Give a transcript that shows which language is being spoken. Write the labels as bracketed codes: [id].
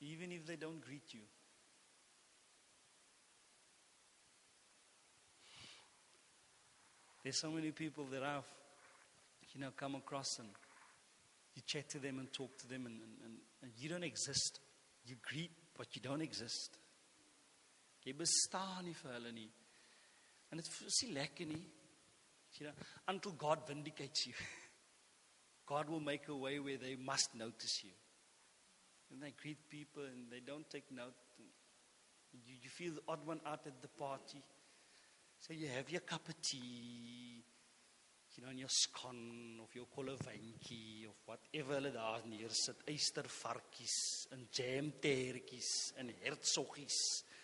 [en] Even if they don't greet you. There's so many people that I've, you know, come across, and you chat to them and talk to them, and you don't exist. You greet, but you don't exist. [af] Jy bestaan nie vir hulle nie. [en] And it's [af] nie lekker nie. [en] You know, until God vindicates you, God will make a way where they must notice you. And they greet people and they don't take note. You feel the odd one out at the party. So you have your cup of tea, you know, and your scone of your kolavanki of whatever [af] hulle daar neersit, eistervarkies en jam teertjies en hertsoggies.